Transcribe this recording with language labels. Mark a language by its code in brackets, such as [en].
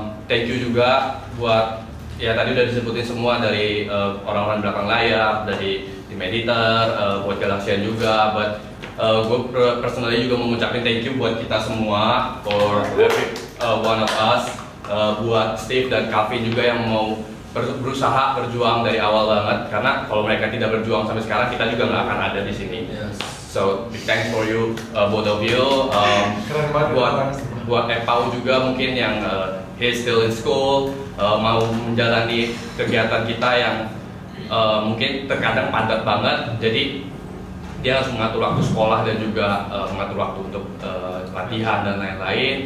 [id] Thank you juga buat ya tadi udah disebutin semua dari orang-orang belakang layar, dari tim editor, buat Galaxian juga, buat gue personally juga mengucapin thank you buat kita semua for every one of us, buat Steve dan Calvin juga yang mau berusaha berjuang dari awal banget, karena kalau mereka tidak berjuang sampai sekarang kita juga nggak akan ada di sini. [en] Yes. So big thanks for you both of you. [id] Keren banget. Buat Epau juga mungkin yang he's still in school, mau menjalani kegiatan kita yang mungkin terkadang padat banget, jadi dia harus mengatur waktu sekolah dan juga mengatur waktu untuk latihan dan lain-lain.